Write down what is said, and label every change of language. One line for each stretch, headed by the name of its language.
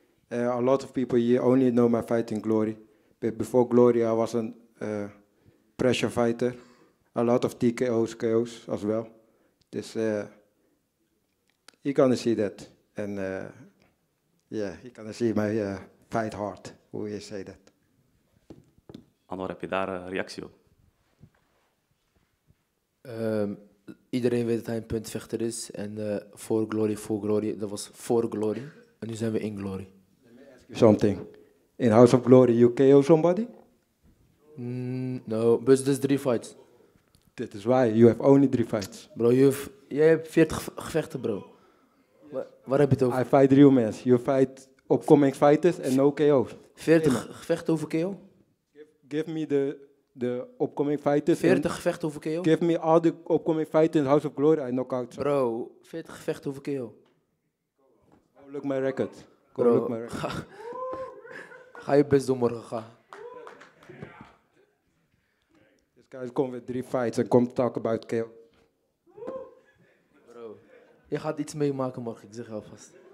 English: A lot of people here only know my fight in Glory. But before Glory, I was a pressure fighter. A lot of TKO's, KO's as well. Dus he gonna see that. And yeah, he gonna see my fight hard, who he say that.
Dutch: Anwar, heb je daar een reactie op? Iedereen weet dat hij een puntvechter is en voor Glory, dat was voor Glory en nu zijn we in Glory.
English: Something. In House of Glory, you KO somebody? No, but there's three fights. That is why, you have only three fights.
Dutch: Bro, jij hebt 40 gevechten, bro. Waar heb je het over?
English: I fight real men. You fight upcoming fighters and no KO's.
Dutch: 40 gevechten over KO?
English: Give me the... De upcoming fighters.
Dutch: 40 gevechten over KO?
English: Give me all the upcoming fighters in House of Glory and knockouts.
Dutch: Bro, 40 gevechten over KO.
English: Go look my record. Go look my
Dutch: record. Ga je best doen morgen, ga.
English: This guy's come with three fights and come talk about KO.
Dutch: Bro, je gaat iets meemaken morgen, ik zeg je alvast.